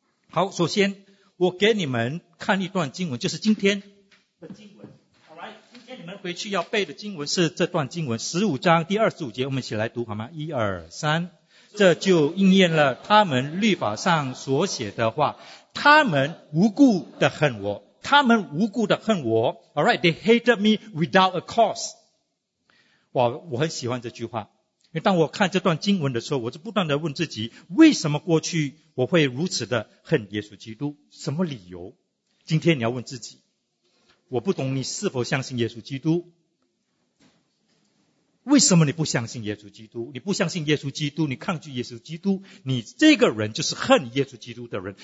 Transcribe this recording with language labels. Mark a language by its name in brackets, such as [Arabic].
[Chinese] 好，首先我给你们看一段经文，就是今天的经文 ，alright？今天你们回去要背的经文是这段经文，十五章第二十五节，我们一起来读好吗？一二三，这就应验了他们律法上所写的话。他们无故的恨我，他们无故的恨我。 [English] All right, they hated me without a cause. [Chinese] 哇，我很喜欢这句话。因为当我看这段经文的时候，我就不断的问自己：为什么过去我会如此的恨耶稣基督？什么理由？今天你要问自己：我不懂你是否相信耶稣基督？为什么你不相信耶稣基督？你不相信耶稣基督，你抗拒耶稣基督，你这个人就是恨耶稣基督的人。